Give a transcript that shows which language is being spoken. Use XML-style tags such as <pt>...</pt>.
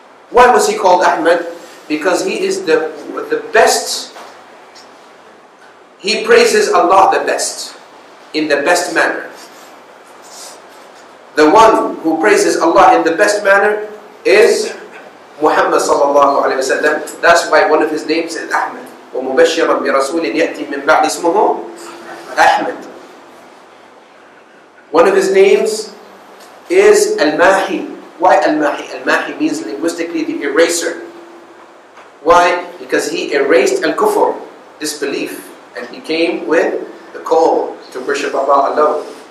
<en>Why was he called Ahmad? Because he is the best. He praises Allah the best, in the best manner. The one who praises Allah in the best manner is Muhammad sallallahu alayhi wa sallam. That's why one of his names is Ahmad.</en> <ar>وَمُبَشِّرًا بِرَسُولٍ يَأْتِي مِنْ بَعْدِ اسْمُهُ Ahmad.</ar> <en>One of his names is Al-Mahi. Why Al-Mahi? Al-Mahi means linguistically the eraser. Why? Because he erased Al-Kufr, disbelief. And he came with the call to worship Allah alone.</en>